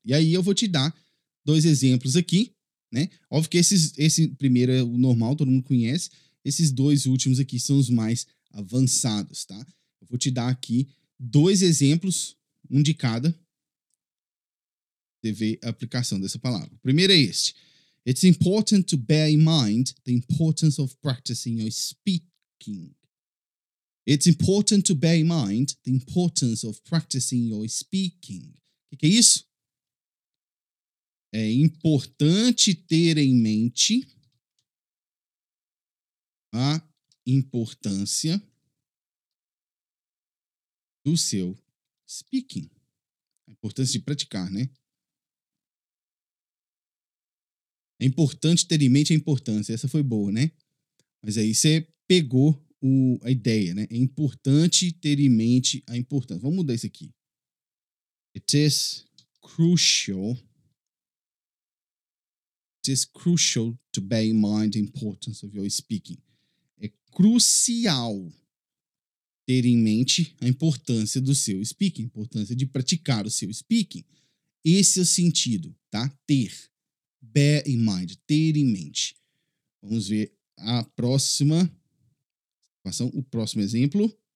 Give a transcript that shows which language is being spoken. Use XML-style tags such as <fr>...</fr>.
<pt>E aí eu vou te dar dois exemplos aqui. Né? Óbvio que esse primeiro é o normal, todo mundo conhece. Esses dois últimos aqui são os mais avançados, tá? Eu vou te dar aqui dois exemplos, um de cada. Você vê a aplicação dessa palavra. O primeiro é este.</pt> <en>It's important to bear in mind the importance of practicing your speaking. It's important to bear in mind the importance of practicing your speaking.</en> <pt>O que é isso? É importante ter em mente a importância do seu speaking. A importância de praticar, né? É importante ter em mente a importância. Essa foi boa, né? Mas aí você pegou a ideia, né? É importante ter em mente a importância. Vamos mudar isso aqui.</pt> <en>It is crucial. It is crucial to bear in mind the importance of your speaking.</en> <pt>É crucial ter em mente a importância do seu speaking, a importância de praticar o seu speaking. Esse é o sentido, tá? Ter.</pt> <en>Bear in mind.</en> <pt>Ter em mente. Vamos ver a próxima situação, o próximo exemplo.</pt>